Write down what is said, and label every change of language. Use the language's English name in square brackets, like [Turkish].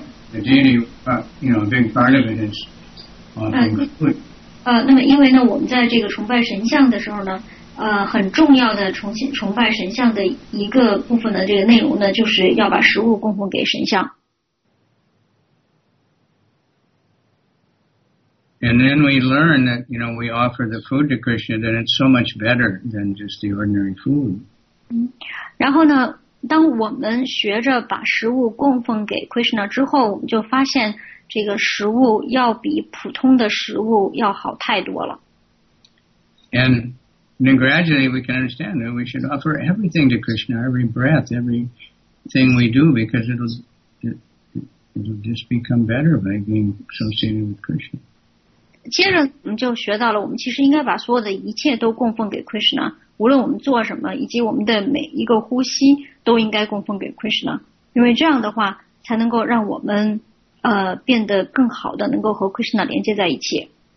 [English] The deity, big part of it is offering food. [Chinese] 那么因为呢，我们在这个崇拜神像的时候呢，很重要的崇拜神像的一个部分的这个内容呢，就是要把食物供奉给神像。 [English] And then we learn that, you know, we offer the food to Krishna, then it's so much better than just the ordinary food. [Chinese] 然后呢，当我们学着把食物供奉给 Krishna 之后，我们就发现。这个食物要比普通的食物要好太多了。 [English] And then gradually we can understand that we should offer everything to Krishna, every breath, everything we do, because it'll just become better by being associated with Krishna. [Chinese] 接着我们就学到了，我们其实应该把所有的一切都供奉给 Krishna， 无论我们做什么，以及我们的每一个呼吸都应该供奉给 Krishna， 因为这样的话才能够让我们。变得更好的能够和 Krishna 连接在一起。